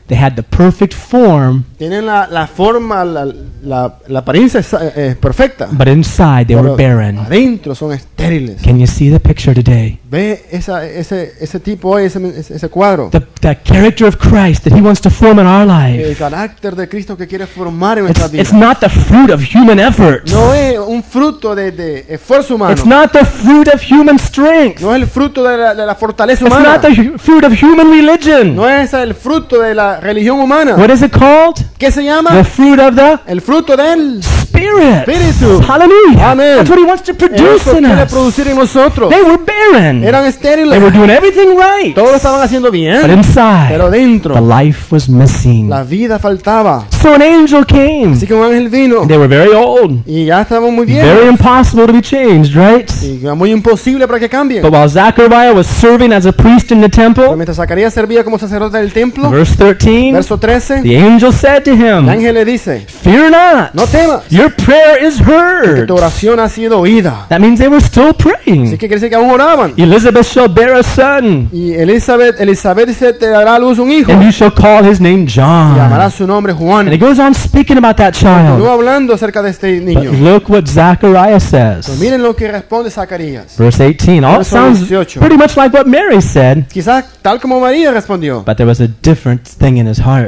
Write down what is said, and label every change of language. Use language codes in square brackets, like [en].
[en] They had the perfect form. [es] Tienen la forma, la apariencia perfecta. [en] But inside they [es] pero [en] were barren. [es] Adentro son estériles. [en] Can you see the picture today? [es] Ve ese tipo hoy, ese cuadro. [en] The character of Christ that he wants to form in our life. [es] El carácter de Cristo que quiere formar en nuestra vida. [en] It's not the fruit of human effort. [es] No es un fruto de esfuerzo humano. [en] It's not the fruit of human strength. [es] No es el fruto de la fortaleza humana. [en] It's not the fruit of human religion. [es] No es el fruto de la religión humana. [en] What is it called? [es] ¿Qué se llama? [en] The fruit of the [es] el fruto del [en] Spirit. [es] Espíritu. Hallelujah. Amen. [en] That's what he wants to produce [es] eso [en] in [es] quiere [en] us. [es] Producir en nosotros. [en] They were barren. [es] Eran estériles. [en] They were doing everything right. [es] Todos estaban haciendo bien. [en] But inside, [es] pero dentro, [en] the life was missing. [es] La vida faltaba. [en] So an angel came. [es] Así que un ángel vino. [en] They were very old. [es] Y ya estaban muy viejos. [en] Very impossible to be changed, right? [es] Y era muy imposible para que cambien. [en] But while Zechariah was serving as a priest in the temple, [es] pero mientras Zacarías servía como sacerdote en el templo, [en] verse 13, [es] verso 13, [en] the angel said to him, [es] el ángel le dice, [en] fear not. [es] No temas. [en] Your prayer is heard. [es] Porque tu oración ha sido oída. [en] That means they were still praying. [es] Así que quiere decir que aún oraban. [en] Elizabeth shall bear a son. [es] Y Elizabeth se te dará a luz un hijo. [en] And you shall call his name John. [es] Y llamará su nombre Juan. [en] And it goes on speaking about that child. [es] Continúa hablando acerca de este niño. [en] But look what Zechariah says. [es] Pero miren lo que responde Zacarías. [en] Verse 18. All [es] verso [en] sounds [es] 18. [en] Pretty much like what Mary said. [es] Quizás tal como María respondió. [en] But there was a different thing in his heart.